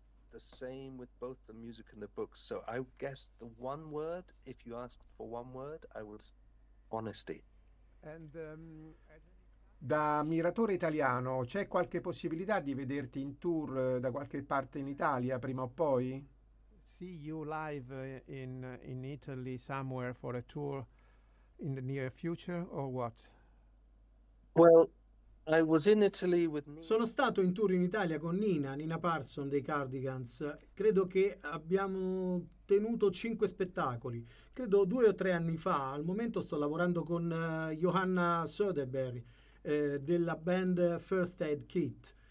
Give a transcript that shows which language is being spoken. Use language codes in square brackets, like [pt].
[en] The same with both the music and the books. So I guess the one word, if you asked for one word, I would say honesty. [it] And da ammiratore italiano, c'è qualche possibilità di vederti in tour da qualche parte in Italia prima o poi? [en] See you live in Italy somewhere for a tour in the near future or what? Well, I was in Italy with Nina. [it] Sono stato in tour in Italia con Nina Parson dei Cardigans. Credo che abbiamo tenuto 5 spettacoli. Credo 2 o 3 anni fa. Al momento sto lavorando con Johanna Söderberg della band First Aid Kit.